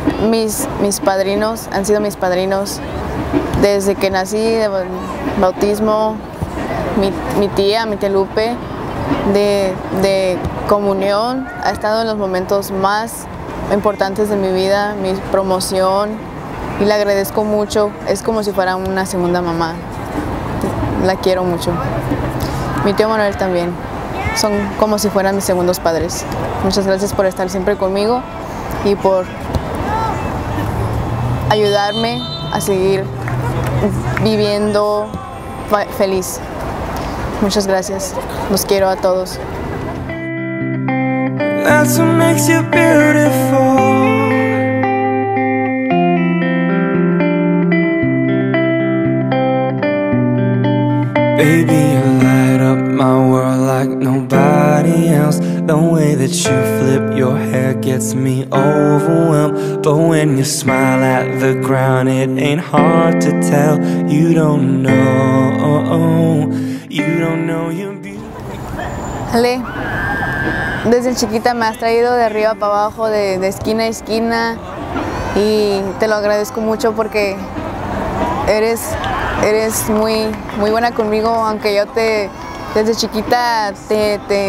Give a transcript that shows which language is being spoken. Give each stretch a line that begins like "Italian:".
Spanish: Mis padrinos han sido mis padrinos desde que nací, de bautismo, mi tía Lupe, de comunión, ha estado en los momentos más importantes de mi vida, mi promoción, y le agradezco mucho, es como si fuera una segunda mamá, la quiero mucho. Mi tío Manuel también. Son como si fueran mis segundos padres. Muchas gracias por estar siempre conmigo y por ayudarme a seguir viviendo feliz. Muchas gracias. Los quiero a todos.
English: That's what makes you beautiful. Baby, you light up my world like nobody else. The way that you flip your hair gets me overwhelmed. But when you smile at the ground, it ain't hard to tell. You don't know, you don't know you're beautiful.
Spanish: Ale, Desde chiquita me has traído de arriba para abajo, de esquina a esquina, y te lo agradezco mucho porque eres muy, muy buena conmigo, aunque yo desde chiquita te